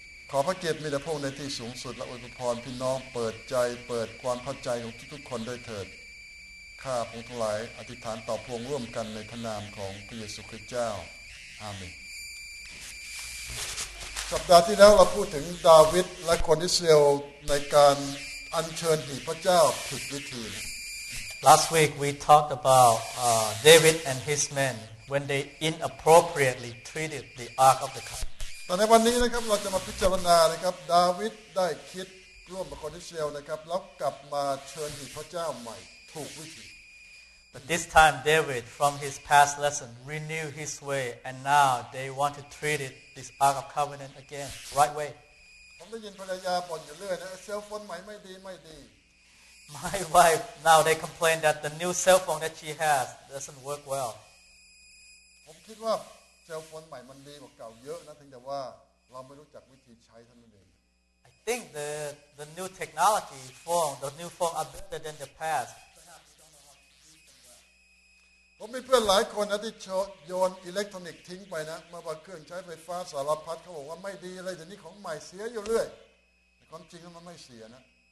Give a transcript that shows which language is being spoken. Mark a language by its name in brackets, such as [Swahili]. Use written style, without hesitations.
[Thai] ขอพระเกียรติมีแด่พระองค์ในที่สูงสุดและอวยพรพี่น้องเปิดใจเปิดความเข้าใจของทุกๆคนด้วยเถิดข้าพระองค์ทั้งหลายอธิษฐานต่อพระองค์ร่วมกันในพระนามของพระเยซูคริสต์เจ้าอาเมนสัปดาห์ที่แล้วเราพูดถึงดาวิดและคนอิสราเอลในการอัญเชิญหีบพระเจ้าผิดวิธี [English] Last week we talked about David and his men when they inappropriately treated the ark of the covenant [Thai] ตอนในวันนี้นะครับเราจะมาพิจารณานะครับดาวิดได้คิดร่วมกับคนอิสราเอลนะครับแล้วกลับมาเชิญหีบพระเจ้าใหม่ถูกวิธี [English] But this time David from his past lesson renewed his way and now they want to treat it this ark of covenant again right way [Thai] ผมได้ยินภรรยาบ่นอยู่เรื่อยนะเซลฟ์โฟนใหม่ไม่ดีไม่ดี [English] My wife now they complain that the new cell phone that she has doesn't work well [Thai] ผมคิดว่าเซลฟอนใหม่มันดีกว่าเก่าเยอะนะถึงแต่ว่าเราไม่รู้จักวิธีใช้ท่านนั่นเอง [English] I think the new technology phone the new phone are better than the past [Thai] ผมมีเพื่อนหลายคนนะที่โยนอิเล็กทรอนิกส์ทิ้งไปนะมาว่าเครื่องใช้ไฟฟ้าสารพัดเขาบอกว่าไม่ดีอะไรเดี๋ยวนี้ของใหม่เสียอยู่เรื่อยแต่ความจริงมันไม่เสียนะ